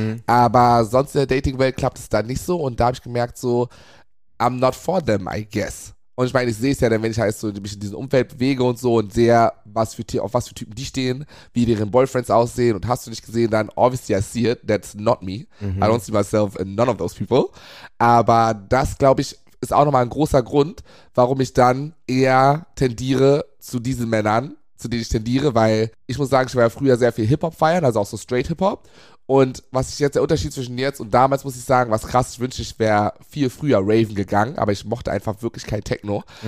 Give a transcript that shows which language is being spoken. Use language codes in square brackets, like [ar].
[de] Aber sonst in der Dating-Welt klappt es dann nicht so. Und da habe ich gemerkt so, [en] I'm not for them, I guess. [de] Und ich meine, ich sehe es ja dann, wenn ich halt so mich in diesem Umfeld bewege und so und sehe, was für, auf was für Typen die stehen, wie deren Boyfriends aussehen und hast du nicht gesehen, dann [en] obviously I see it, that's not me. I don't see myself in none of those people. [de] Aber das, glaube ich, ist auch nochmal ein großer Grund, warum ich dann eher tendiere zu diesen Männern, zu denen ich tendiere, weil ich muss sagen, ich war ja früher sehr viel Hip-Hop feiern, also auch so Straight-Hip-Hop. Und was ich jetzt, der Unterschied zwischen jetzt und damals, muss ich sagen, was krass, ich wünschte, ich wäre viel früher Raven gegangen, aber ich mochte einfach wirklich kein Techno.